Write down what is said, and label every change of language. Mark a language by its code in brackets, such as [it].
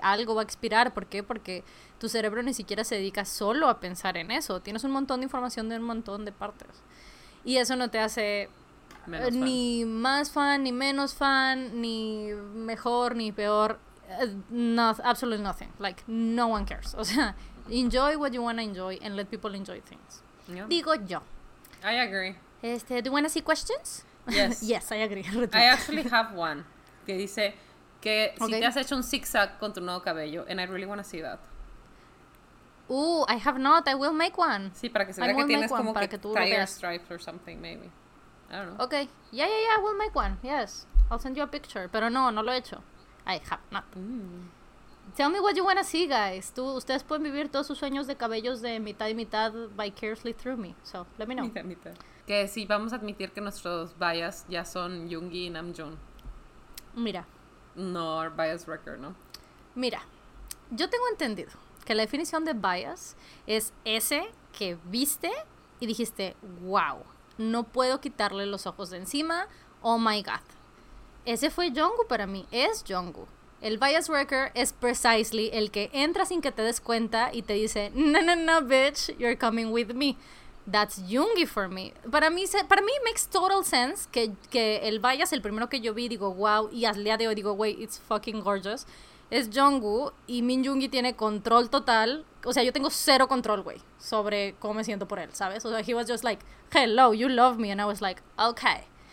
[es] Algo va a expirar, ¿por qué? Porque tu cerebro ni siquiera se dedica solo a pensar en eso. Tienes un montón de información de un montón de partes. Y eso no te hace ni más fan, ni menos fan, ni mejor, ni peor. [en] Absolutely nothing. Like, no one cares. [es] O sea, [en] enjoy what you want to enjoy and let people enjoy things. [es] Yeah. Digo yo. [en] I agree. Do you want to see questions? Yes. Yes, I agree. I actually have one [es] que dice que okay. Si te has hecho un zigzag con tu nuevo cabello, [en] and I really want to see that. Ooh, I have not. I will make one. Sí, para que se vea que tienes como que tire stripes or something, maybe. I don't know. Okay. Yeah, I will make one. Yes. I'll send you a picture. [es] Pero no lo he hecho. [en] I have not. Tell me what you want to see, guys. [es] Ustedes pueden vivir todos sus sueños de cabellos de mitad y mitad [en] vicariously through me. So, let me know. [es] Mitad, mitad. Que sí, vamos a admitir que nuestros bias ya son Yoongi y Namjoon. Mira. [en] No, our bias record, ¿no? [es] Mira, yo tengo entendido que la definición de bias es ese que viste y dijiste, wow, no puedo quitarle los ojos de encima, [en] oh my God. [es] Ese fue Jungkook para mí, es Jungkook. El bias worker es precisely el que entra sin que te des cuenta y te dice, no, [en] bitch, you're coming with me. That's Jungkook for me. [es] Para mí [en] makes total sense [es] que el bias, el primero que yo vi, digo, wow, y al día de hoy digo, wey, [en] it's fucking gorgeous, [es] es Jungkook, y Min Jungkook tiene control total, o sea, yo tengo cero control, wey, sobre cómo me siento por él, ¿sabes? O sea, [en] he was just like, hello, you love me, and I was like, okay.